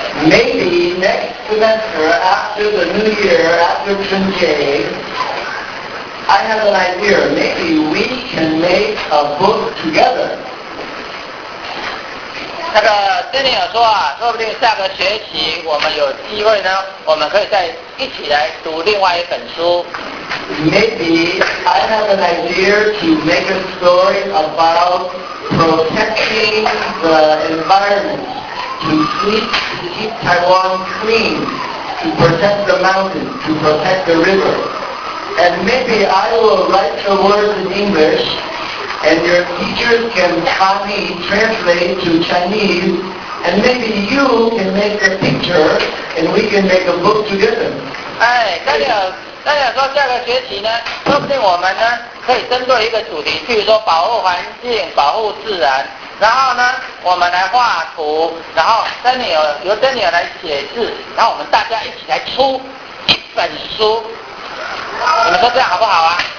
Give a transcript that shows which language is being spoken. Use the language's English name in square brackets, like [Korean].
[English] Maybe next semester, after the new year, after Chunjie, I have an idea. Maybe we can make a book together. [Chinese] 那个珍妮尔说啊，说不定下个学期我们有机会呢，我们可以再一起来读另外一本书。 [English] Maybe I have an idea to make a story about protecting the environment, to keep Taiwan clean, to protect the mountains, to protect the river. And maybe I will write the words in English, and your teachers can copy, translate to Chinese, and maybe you can make a picture, and we can make a book together. Hey, Daniel. [Chinese] 大家说下个学期呢，说不定我们呢可以针对一个主题，譬如说保护环境、保护自然，然后呢我们来画图，然后珍妮尔由珍妮尔来写字，然后我们大家一起来出一本书，你们说这样好不好啊？